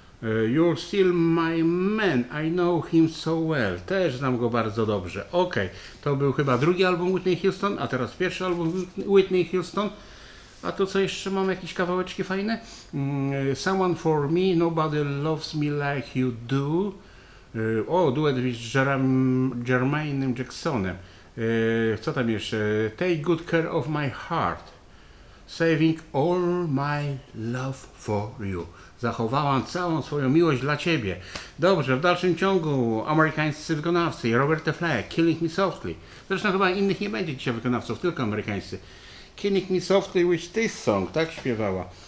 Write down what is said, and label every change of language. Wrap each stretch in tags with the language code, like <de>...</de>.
<en>You're still my man, I know him so well.</en> <pl>Też znam go bardzo dobrze. Okej, okay. To był chyba drugi album Whitney Houston, a teraz pierwszy album Whitney Houston. A to co jeszcze mam, jakieś kawałeczki fajne?</pl> <en>Someone for me, nobody loves me like you do.</en> <pl>O, duet z Jermainem Jacksonem. Co tam jeszcze?</pl> <en>Take good care of my heart, saving all my love for you.</en> <pl>Zachowałam całą swoją miłość dla Ciebie. Dobrze, w dalszym ciągu amerykańscy wykonawcy, Robert E. Flack, Killing Me Softly. Zresztą chyba innych nie będzie dzisiaj wykonawców, tylko amerykańscy. Killing Me Softly with This Song, tak śpiewała.</pl>